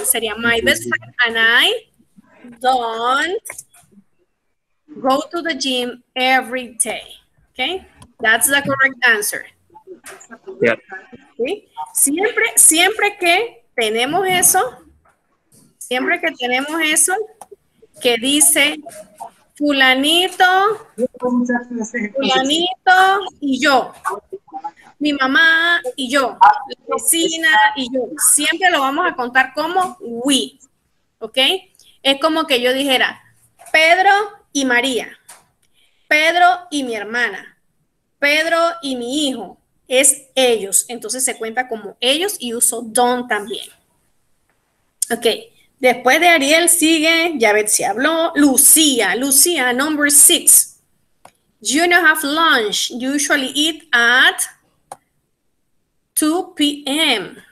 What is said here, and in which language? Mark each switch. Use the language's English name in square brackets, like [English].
[Spanish] Sería [English] my best friend and I don't go to the gym every day. Okay? That's the correct answer. Yeah. [Spanish] ¿Sí? Siempre, siempre que tenemos eso, siempre que tenemos eso, que dice fulanito, fulanito y yo, mi mamá y yo, la vecina y yo, siempre lo vamos a contar como we, ¿ok? Es como que yo dijera Pedro y María, Pedro y mi hermana, Pedro y mi hijo, es ellos. Entonces se cuenta como ellos y uso don también. Ok, después de Ariel sigue, ya ves si habló, Lucía, Lucía, [English] number six. You know, have lunch, you usually eat at 2 p.m.